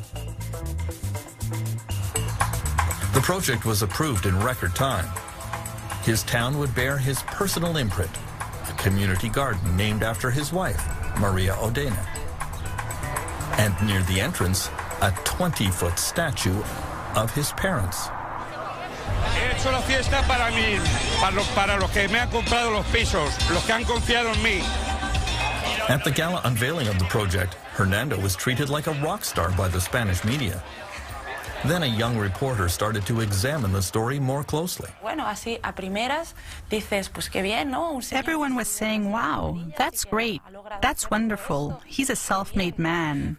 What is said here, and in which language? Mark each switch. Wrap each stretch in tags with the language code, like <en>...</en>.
<en>The project was approved in record time. His town would bear his personal imprint, a community garden named after his wife, Maria Odena. And near the entrance, a 20-foot statue of his parents.</en> <es>He hecho la fiesta para mí, para los que me han comprado los pisos, los que han confiado en mí.</es> <en>At the gala unveiling of the project, Hernando was treated like a rock star by the Spanish media. Then a young reporter started to examine the story more closely. Everyone was saying, wow, that's great, that's wonderful, he's a self-made man.</en>